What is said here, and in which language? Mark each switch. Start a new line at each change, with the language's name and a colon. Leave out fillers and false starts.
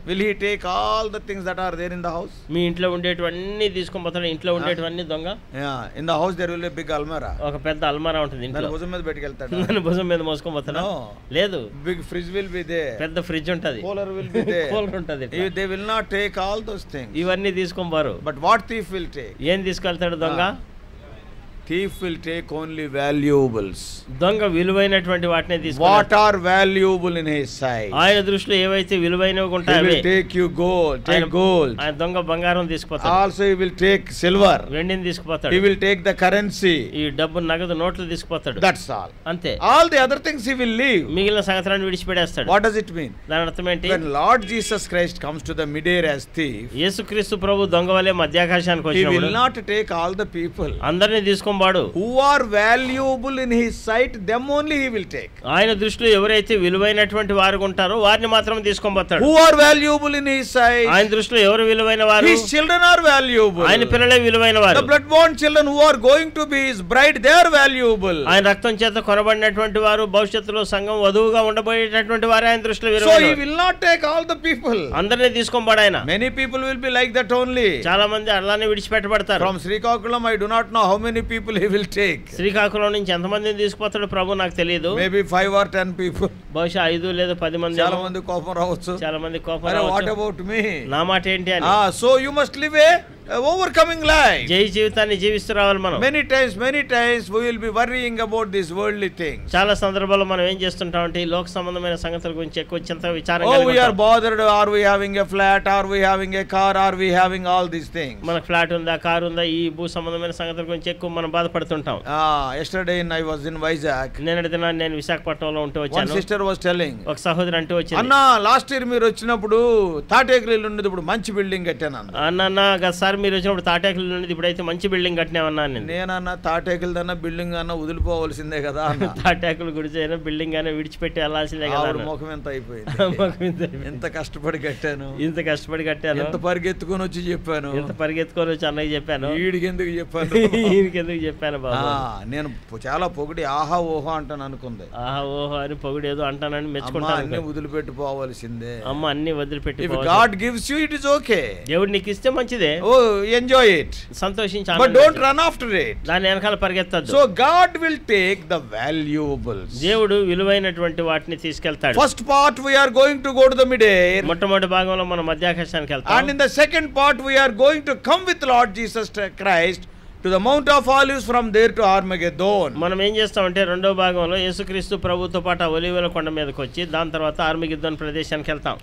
English: Will he take all the things that are there in the house?
Telugu: మీ ఇంట్లో ఉండేటువన్నీ తీసుకుపోతాడు, ఇంట్లో ఉండేటువన్నీ దొంగ.
English: Yeah, in the house there will be a big almara.
Telugu: ఒక పెద్ద almara ఉంటుంది ఇంట్లో. భుజం మీద పెట్టుకెళ్తాడు. నన్ను భుజం మీద మోసుకుపోతాడు?
English: No.
Telugu: లేదు.
English: Big fridge will be there.
Telugu: పెద్ద ఫ్రిడ్జ్ ఉంటుంది.
English: Cooler will be there.
Telugu: Cooler ఉంటుంది.
English: They will not take all those things.
Telugu: ఇవన్నీ తీసుకుంటారు.
English: But what thief will take?
Telugu: ఏం తీసుకెళ్తాడు దొంగ?
English: Thief will take only valuables.
Telugu: దొంగ విలువైనటువంటి వాటినే తీసుకుంటాడు.
English: What are valuable in his sight?
Telugu: ఆయన దృష్టిలో ఏవైతే విలువైనవి ఉంటాయో.
English: He will take you gold, take gold.
Telugu: ఆయన దొంగ బంగారం తీసుకుపోతాడు.
English: Also he will take silver.
Telugu: వెండిని తీసుకుపోతాడు.
English: He will take the currency.
Telugu: ఈ డబ్బు నగదు నోట్లు తీసుకుపోతాడు.
English: That's all.
Telugu: అంతే.
English: All the other things he will leave.
Telugu: మిగిలిన సంగతులను విడిచిపెడేస్తాడు.
English: What does it mean?
Telugu: దాని అర్థం ఏంటి?
English: When Lord Jesus Christ comes to the midair as thief.
Telugu: యేసుక్రీస్తు ప్రభు దొంగ వలె మధ్యాకాశానికి వచ్చినప్పుడు
English: he will not take all the people.
Telugu: అందరిని తీసుకుపోతాడు. ఉత్తమం వాడు.
English: Who are valuable in his sight them only he will take.
Telugu: ఆయన దృష్టిలో ఎవరైతే విలువైనటువంటి వారు ఉంటారో వారిని మాత్రమే తీసుకోబోతాడు.
English: Who are valuable in his sight.
Telugu: ఆయన దృష్టిలో ఎవరు విలువైన వారు?
English: His children are valuable.
Telugu: ఆయన పిల్లలే విలువైన వారు.
English: The blood born children who are going to be his bride they are valuable.
Telugu: ఆయన రక్తం చేత కొనబడినటువంటి వారు భవిష్యత్తులో సంఘం వధువుగా ఉండబోయేటటువంటి వారు ఆయన దృష్టిలో విలువైన.
English: So he will not take all the people.
Telugu: అందరిని తీసుకోబడ ఆయన.
English: Many people will be like that only.
Telugu: చాలా మంది అలానే విడిచిపెట్టబడతారు.
English: From Srikakulam I do not know how many people he will take.
Telugu: Srikakulam నుంచి ఎంత మందిని తీసుకుపోతాడు ప్రభు నాకు తెలియదు.
English: Maybe 5 or 10 people.
Telugu: బహుశా 5 లేదా 10 మంది. చాలా మంది కోపం రావచ్చు. చాలా మంది కోపం రావచ్చు.
English: What about me?
Telugu: నా మాట ఏంటి అని.
English: So you must live a overcoming life.
Telugu: జై జీవితాన్ని జీవిస్తూ రావాలి మనం.
English: Many times we will be worrying about this worldly thing.
Telugu: చాలా సందర్భాల్లో మనం ఏం చేస్తుంటాం అంటే ఈ లోక సంబంధమైన సంగతుల గురించి ఎక్కువ చింత విచారం కలిగి ఉంటాం.
English: Oh, we are bothered. Are we having a flat? Are we having a car? Are we having all these things?
Telugu: మన ఫ్లాట్ ఉందా, కార్ ఉందా, ఈ భూ సంబంధమైన సంగతుల గురించి ఎక్కువ మనం బాధపడుతుంటాం.
English: Yesterday I was in Vizag.
Telugu: నేను విశాఖపట్నంలో ఉంటూ వచ్చాను.
English: One sister was telling.
Telugu: ఒక సహోదరి అంటూ వచ్చింది. అన్న, లాస్ట్ ఇయర్ మీరు వచ్చినప్పుడు తాటేకరీలు ఉండేది, ఇప్పుడు మంచి బిల్డింగ్ కట్టాను. అన్న, మీరు వచ్చినప్పుడు తాటేకల్ నుండి ఇప్పుడు అయితే మంచి బిల్డింగ్ కట్టినామన్నా. నేనన్న తాటేకల్ దన్నా బిల్డింగ్ అన్న వదిలిపోవలసిందే కదా. తాటేకల్ గురించైనా బిల్డింగ్ అయినా విడిచిపెట్టి వెళ్ళాల్సిందే కదా. ముఖం ఎంత అయిపోయింది, ఎంత కష్టపడి కట్టాను, ఇంత కష్టపడి కట్టాను, ఎంత పరిగెత్తుకుని వచ్చి చెప్పాను, ఎంత పరిగెత్తుకుని వచ్చి అన్నయ్య చెప్పాను, వీడికెందుకు చెప్పాను, వీడికెందుకు చెప్పాను బాబు. నేను చాలా పొగిడి ఆహా ఓహో అంటాను అనుకుంది. ఆహా ఓహో అని పొగిడి ఏదో అంటానని మెచ్చుకుంటా. అన్ని వదిలిపెట్టుకోవాల్సిందే అమ్మ, అన్ని వదిలిపెట్టి.
English: God gives you, it is okay.
Telugu: దేవుడు నీకు ఇస్తే మంచిదే.
English: Oh, enjoy it.
Telugu: సంతోషించాలి.
English: But don't run after it.
Telugu: దాని వెనకాల పరిగెత్తద్దు.
English: So God will take the valuables.
Telugu: దేవుడు విలువైనటువంటి వాటిని తీసుకెళ్తాడు.
English: First part we are going to go to the midair.
Telugu: మొట్టమొదటి భాగంలో మనం మధ్యాకాశానికి వెళ్తాం.
English: And in the second part we are going to come with Lord Jesus Christ to the Mount of Olives from there to Armageddon.
Telugu: మనం ఏం చేస్తాం అంటే రెండో భాగంలో యేసుక్రీస్తు ప్రభుతో పాటు ఒలీవల కొండ మీదకి వచ్చి దాని తర్వాత ఆర్మగెద్దోన్ ప్రదేశానికి వెళ్తాం.